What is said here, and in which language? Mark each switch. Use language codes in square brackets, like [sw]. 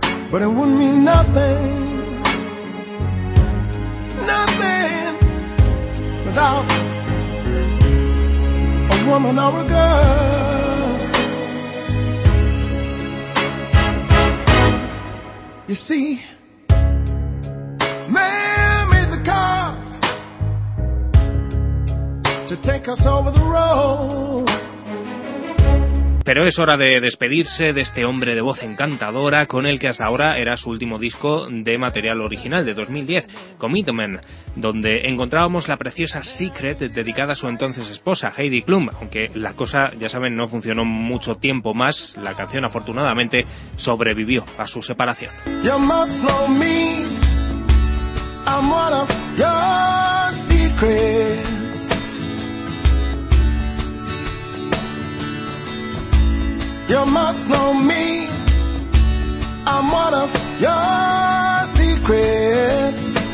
[en] But it wouldn't mean nothing, nothing without a woman or a girl. You see, man made the cars to take us over the road. [es] Pero es hora de despedirse de este hombre de voz encantadora con el que hasta ahora era su último disco de material original de 2010, Commitment, donde encontrábamos la preciosa Secret dedicada a su entonces esposa, Heidi Klum, aunque la cosa, ya saben, no funcionó mucho tiempo más, la canción afortunadamente sobrevivió a su separación. [en] You must know me, I'm one of your secrets. You must know me, I'm one of your secrets.